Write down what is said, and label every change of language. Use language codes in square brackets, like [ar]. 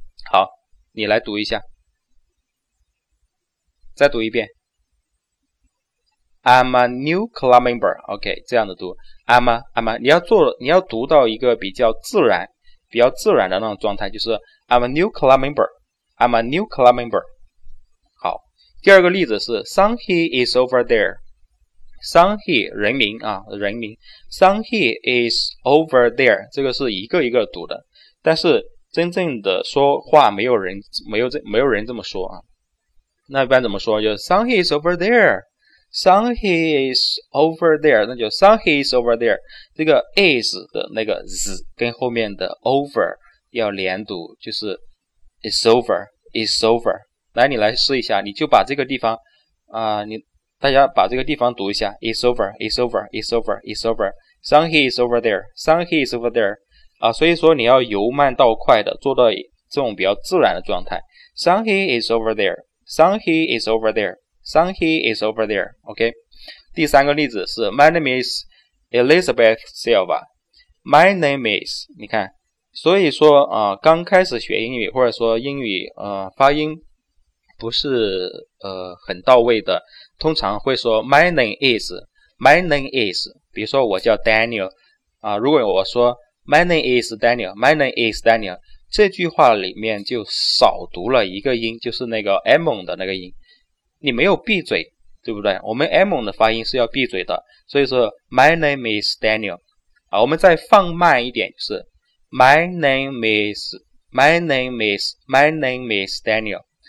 [zh] 好，你来读一下，再读一遍。 [en] I'm a new club member. OK， [zh] 这样的读。 [en] I'm a， [zh] 你要读到一个比较自然的那种状态，就是 [en] I'm a new club member. I'm a new club member. [zh] 好，第二个例子是 [en] Sanghi is over there. [zh] Sanghi 人名啊，人名。 [en] Sanghi is over there. [zh] 这个是一个一个读的，但是真正的说话没有人这么说啊。那一般怎么说？就是 [en] Sanghi is over there。 [zh] Sanghi is over there， 那就 Sanghi is over there， 这个 is 的那个 z 跟后面的 over 要连读，就是 is over， is over。来，你来试一下，你就把这个地方你大家把这个地方读一下， [en] is over， is over， is over， is over， Sanghi is over there， [zh] Sanghi is over there 啊，所以说你要由慢到快的做到这种比较自然的状态。 [en] Sanghi is over there， Sanghi is over thereSanghi is over there. OK， [zh] 第三个例子是 [en] My name is Elizabeth Silva. [zh] My name is， 你看，所以说刚开始学英语或者说英语发音不是很到位的，通常会说 [en] My name is， My name is， [zh] 比如说我叫 Daniel 如果我说 [en] My name is Daniel， [zh] My name is Daniel， 这句话里面就少读了一个音，就是那个 M 的那个音，你没有闭嘴，对不对？我们 M 的发音是要闭嘴的，所以说 My name is Daniel 啊，我们再放慢一点，就是 My name is My name is My name is Daniel